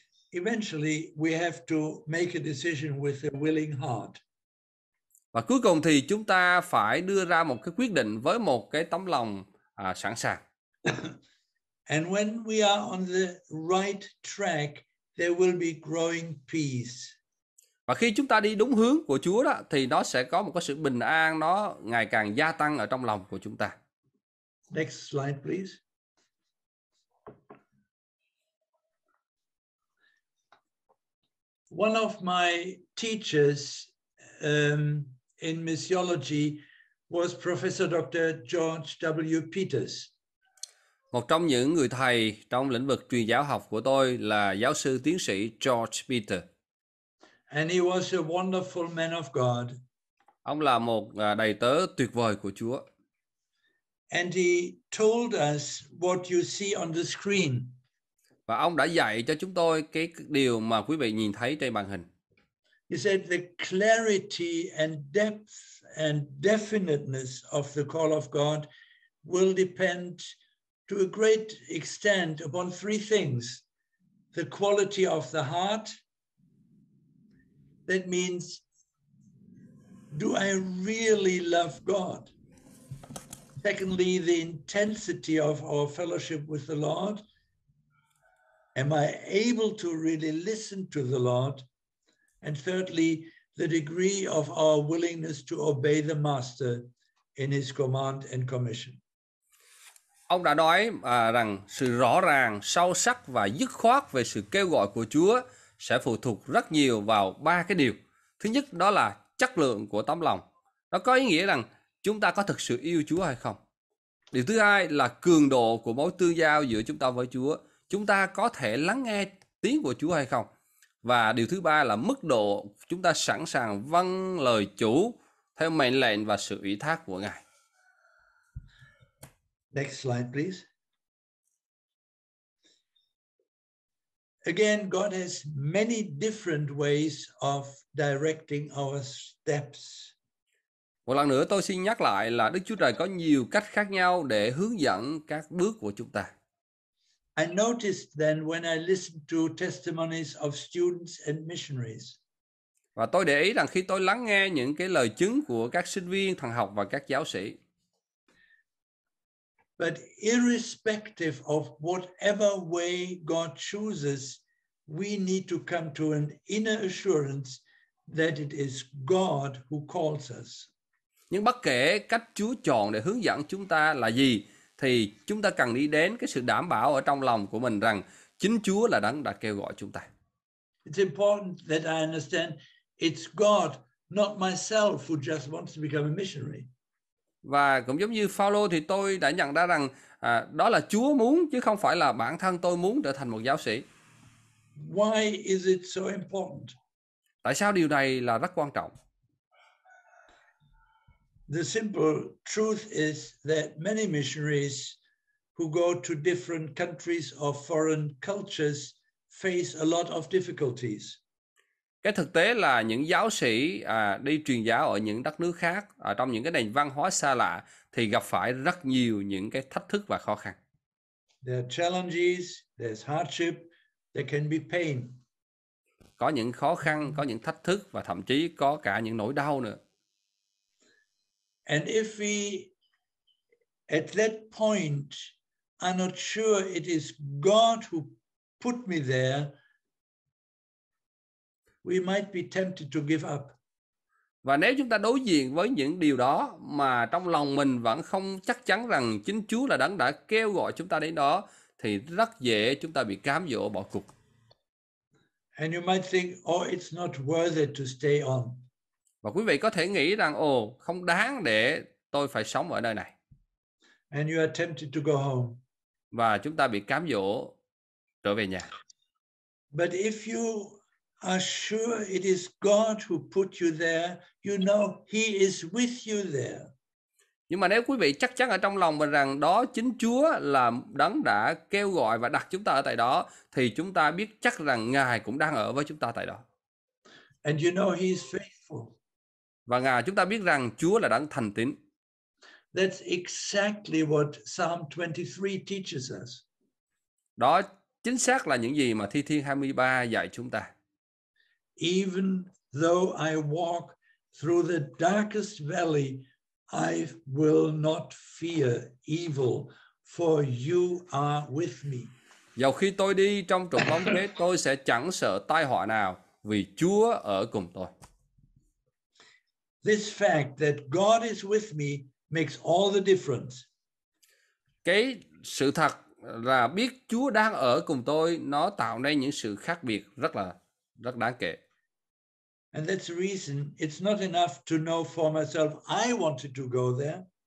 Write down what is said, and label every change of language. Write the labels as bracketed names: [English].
[English] Eventually we have to make a decision with a willing heart. [Vietnamese] Và cuối cùng thì chúng ta phải đưa ra một cái quyết định với một cái tấm lòng sẵn sàng. [English] And when we are on the right track, there will be growing peace. [Vietnamese] Và khi chúng ta đi đúng hướng của Chúa đó, thì nó sẽ có một cái sự bình an, nó ngày càng gia tăng ở trong lòng của chúng ta. [English] Next slide, please. One of my teachers in missiology was Professor Dr. George W. Peters. [Vietnamese] Một trong những người thầy trong lĩnh vực truyền giáo học của tôi là giáo sư tiến sĩ George Peters. [English] And he was a wonderful man of God. [Vietnamese] Ông là một đầy tớ tuyệt vời của Chúa. [English] And he told us what you see on the screen. [Vietnamese] Và ông đã dạy cho chúng tôi cái điều mà quý vị nhìn thấy trên màn hình. [English] He said the clarity and depth and definiteness of the call of God will depend to a great extent upon three things. The quality of the heart. That means, do I really love God? Secondly, the intensity of our fellowship with the Lord. Am I able to really listen to the Lord? And thirdly, the degree of our willingness to obey the Master in his command and commission. [Vietnamese] Ông đã nói rằng sự rõ ràng, sâu sắc và dứt khoát về sự kêu gọi của Chúa sẽ phụ thuộc rất nhiều vào ba cái điều. Thứ nhất, đó là chất lượng của tấm lòng. Nó có ý nghĩa rằng chúng ta có thực sự yêu Chúa hay không. Điều thứ hai là cường độ của mối tương giao giữa chúng ta với Chúa. Chúng ta có thể lắng nghe tiếng của Chúa hay không. Và điều thứ ba là mức độ chúng ta sẵn sàng vâng lời chủ theo mệnh lệnh và sự ủy thác của Ngài. [English] Next slide, please. Again, God has many different ways of directing our steps. [Vietnamese] Một lần nữa tôi xin nhắc lại là Đức Chúa Trời có nhiều cách khác nhau để hướng dẫn các bước của chúng ta. [English] I noticed then when I listened to testimonies of students and missionaries. [Vietnamese] Và tôi để ý rằng khi tôi lắng nghe những cái lời chứng của các sinh viên, thần học và các giáo sĩ. [English] But irrespective of whatever way God chooses, we need to come to an inner assurance that it is God who calls us. [Vietnamese] Nhưng bất kể cách Chúa chọn để hướng dẫn chúng ta là gì, thì chúng ta cần đi đến cái sự đảm bảo ở trong lòng của mình rằng chính Chúa là đấng đã kêu gọi chúng ta. [English] It's important that I understand it's God, not myself, who just wants to become a missionary. [Vietnamese] Và cũng giống như Phaolô thì tôi đã nhận ra rằng đó là Chúa muốn chứ không phải là bản thân tôi muốn trở thành một giáo sĩ. [English] Why is it so important? [Vietnamese] Tại sao điều này là rất quan trọng? [English] The simple truth is that many missionaries who go to different countries or foreign cultures face a lot of difficulties. [Vietnamese] Cái thực tế là những giáo sĩ đi truyền giáo ở những đất nước khác, trong những cái nền văn hóa xa lạ thì gặp phải rất nhiều những cái thách thức và khó khăn. [English] There are challenges, there's hardship, there can be pain. [Vietnamese] Có những khó khăn, có những thách thức và thậm chí có cả những nỗi đau nữa. [English] And if we at that point are not sure it is God who put me there, we might be tempted to give up. [Vietnamese] Và nếu chúng ta đối diện với những điều đó mà trong lòng mình vẫn không chắc chắn rằng chính Chúa là đấng đã kêu gọi chúng ta đến đó, thì rất dễ chúng ta bị cám dỗ bỏ cuộc. [English] And you might think, oh, it's not worth it to stay on. [Vietnamese] Và quý vị có thể nghĩ rằng, ồ, không đáng để tôi phải sống ở nơi này. [English] And you are tempted to go home. [Vietnamese] Và chúng ta bị cám dỗ trở về nhà. [English] But if you are sure it is God who put you there, you know he is with you there. [Vietnamese] Nhưng mà nếu quý vị chắc chắn ở trong lòng mình rằng đó chính Chúa là đấng đã kêu gọi và đặt chúng ta ở tại đó, thì chúng ta biết chắc rằng Ngài cũng đang ở với chúng ta tại đó. [English] And you know he is faithful. [Vietnamese] Và Ngài, chúng ta biết rằng Chúa là đấng thành tín. [English] That's exactly what Psalm 23 teaches us. [Vietnamese] Đó chính xác là những gì mà Thi Thiên 23 dạy chúng ta. [English] Even though I walk through the darkest valley, I will not fear evil, for you are with me. [Vietnamese] Dầu khi tôi đi trong trùng bóng tối, tôi sẽ chẳng sợ tai họa nào, vì Chúa ở cùng tôi. This fact that God is with me makes all the difference. Cái sự thật là biết Chúa đang ở cùng tôi, nó tạo nên những sự khác biệt rất là rất đáng kể. [English] And that's the reason it's not enough to know for myself I wanted to go there.